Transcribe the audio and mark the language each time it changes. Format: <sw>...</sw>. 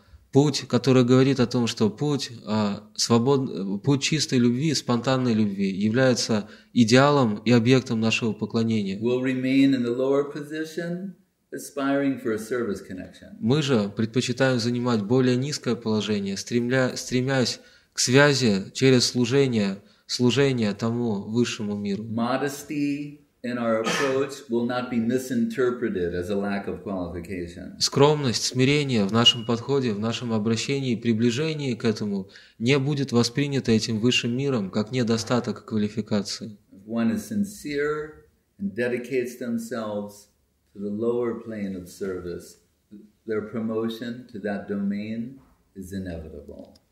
<ru>Путь, который говорит о том, что путь чистой любви, спонтанной любви является идеалом и объектом нашего поклонения.</ru> <en>Will remain in the lower position. Aspiring for a service connection.</en> <ru>Мы же предпочитаем занимать более низкое положение, стремясь к связи через служение тому высшему миру.</ru> <en>Modesty in our approach will not be misinterpreted as a lack of qualification.</en> <ru>Скромность, смирение в нашем подходе, в нашем обращении, приближении к этому не будет воспринято этим высшим миром как недостаток квалификации.</ru> <en>one is sincere and dedicates themselves to the lower plane of service, their promotion to that domain is inevitable.</en>